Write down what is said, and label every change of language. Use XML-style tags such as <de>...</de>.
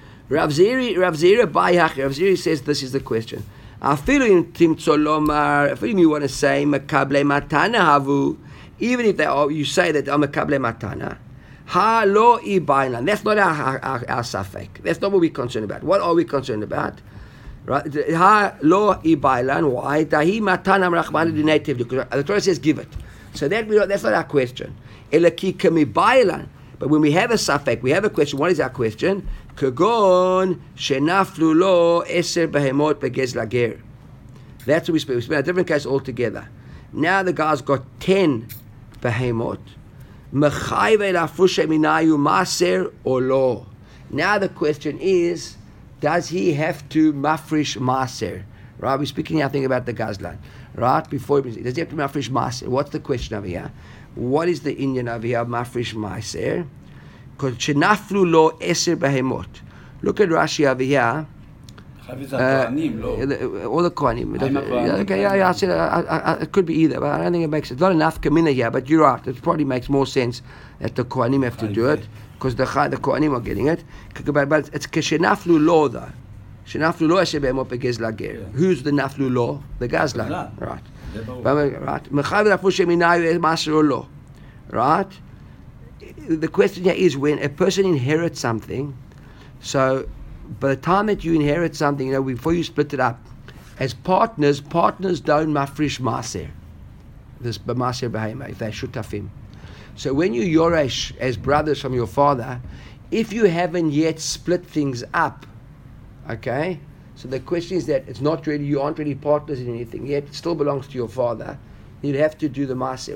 <en>Rav Ziri Bayach, Rav Ziri says this is the question.</en> <he>אפילו אם תמצא לומר, אפילו אם</he> <en>you want to say,</en> <he>מקבלי מתנה הבו,</he> <en>even if they all, you say that they're</en> <he>מקבלי מתנה, הלא איבאינן,</he> <en>that's not our ספק, that's not what we're concerned about. What are we concerned about?</en> <he>הלא איבאינן,</he> <en>why?</en> <he>תהי מתנה מרחמנה דיני תבדוק.</he> <en>The Torah says, give it. So that's not our question.</en> <he>אלא כי כמי באילן,</he> <en>but when we have a ספק, we have a question, what is our question?</en> <he>כגון שנפלו לו עשר בהמות בגזל הגר.</he> <en>That's what we speak. We speak a different case altogether. Now the guy's got 10 בהמות.</en> <he>מחייב להפרו שמיניו מעשר או לא.</he> <en>Now the question is, does he have to מפריש מעשר? Right, we're speaking here, I think, about the gazlan. Right, before we say, does he have to מפריש מעשר? What's the question over here? What is the Indian over here, מפריש מעשר? Because</en> <he>שנפלו לו עשר בהמות.</he> <en>Look at Rashi over here. All the Kohanim. I said it could be either, but I don't think it makes it. Not enough Kamina here, but you're right. It probably makes more sense that the Kohanim have to do it, because the Kohanim are getting it. But it's כשנפלו לו, though.</en> <he>שנפלו לו עשר בהמות בגזל הגר.</he> <en>Who's the נפלו לו? The גזלן. Right.</en> <he>מחייב להפרו שמיניו מעשר או לא.</he> <en>Right? The question here is, when a person inherits something, so by the time that you inherit something, you know, before you split it up, as partners don't mafrish maser, this maser behema, if they shutafim. So when you yoresh as brothers from your father, if you haven't yet split things up, okay, so the question is that it's not really, you aren't really partners in anything yet, it still belongs to your father, you'd have to do the maser.</en>